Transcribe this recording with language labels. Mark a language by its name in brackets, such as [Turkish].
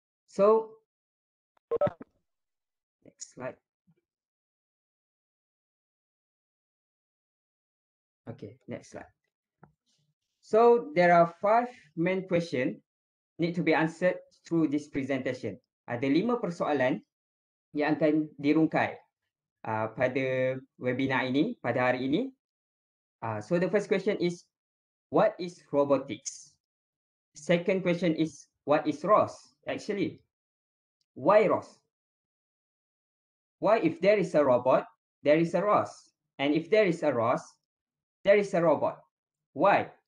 [English] So next slide. Okay, next slide. So there are 5 main questions need to be answered through this presentation. [Indonesian] Ada 5 persoalan yang akan dirungkai pada webinar ini, pada hari ini. [English] So the first question is, what is robotics? Second question is, what is ROS actually? Why ROS? Why, if there is a robot, there is a ROS? And if there is a ROS, there is a robot. Why?